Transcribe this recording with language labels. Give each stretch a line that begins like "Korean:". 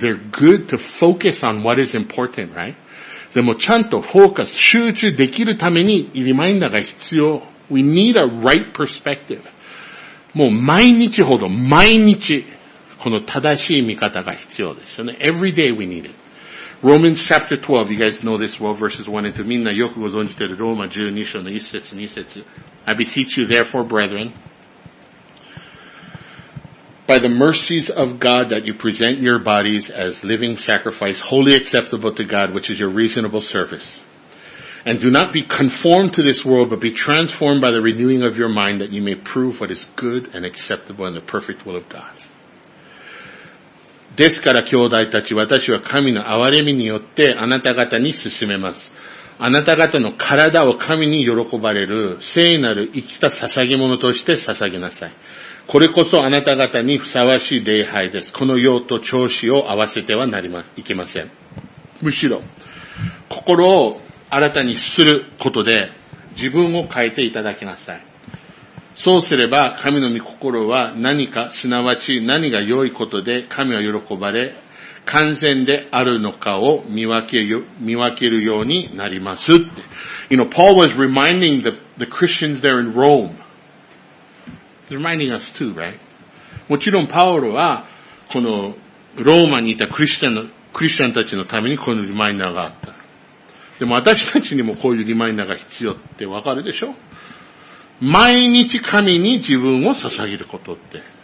English: They're good to focus on what is important, right?
Japanese: でもちゃんとフォーカス、集中できるためにリマインダーが必要。
English: We need a right perspective.
Japanese: もう毎日ほど、毎日、この正しい見方が必要ですよね。
English: Every day we need it. Romans chapter 12, you guys know this well, verses 1 and 2.
Japanese: みんなよくご存じてる。ローマ12章の1節、2節。
English: I beseech you therefore, brethren,By the mercies of God that you present your bodies as living sacrifice, wholly acceptable to God, which is your reasonable service. And do not be conformed to this world, but be transformed by the renewing of your mind that you may prove what is good and acceptable and the perfect will of God.
Japanese: ですから兄弟たち、私は神の憐れみによってあなた方に進めます。あなた方の体を神に喜ばれる聖なる生きた捧げ物として捧げなさい。これこそあなた方にふさわしい礼拝です。この用途調子を合わせてはなりま、いけません。むしろ、心を新たにすることで自分を変えていただきなさい。そうすれば神の御心は何か、すなわち何が良いことで神は喜ばれ、完全であるのかを見分けるようになります。
English: You know, Paul was reminding the Christians there in Rome. Reminding us too, right?
Japanese: もちろん、パウロは、この、ローマにいたクリスチャンたちのためにこのリマインダーがあった。でも、私たちにもこういうリマインダーが必要ってわかるでしょ？毎日神に自分を捧げることって。